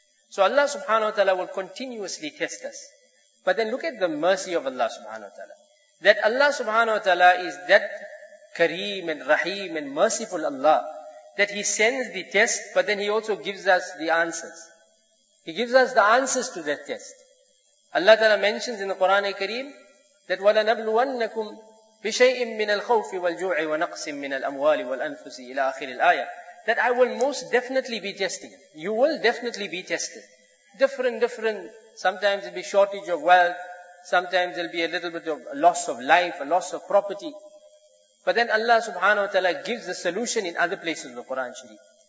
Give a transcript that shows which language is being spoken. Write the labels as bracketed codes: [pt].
[en] So Allah subhanahu wa ta'ala will continuously test us. But then look at the mercy of Allah subhanahu wa ta'ala. That Allah subhanahu wa ta'ala is that Kareem and Rahim and merciful Allah, that He sends the test, but then He also gives us the answers. He gives us the answers to that test. Allah Ta'ala mentions in the Quran Kareem that [ar] وَلَنَبْلُوَنَّكُمْ بِشَيْءٍ مِّنَ الْخَوْفِ وَالْجُوعِ وَنَقْسٍ مِّنَ الْأَمْوَالِ وَالْأَنفُسِ إِلَىٰ آخِرِ الْآيَةِ. [en] that I will most definitely be tested. You will definitely be tested. Different. Sometimes it'll be shortage of wealth. Sometimes there'll be a little bit of loss of life, a loss of property. But then Allah subhanahu wa ta'ala gives the solution in other places of the Quran Sharif.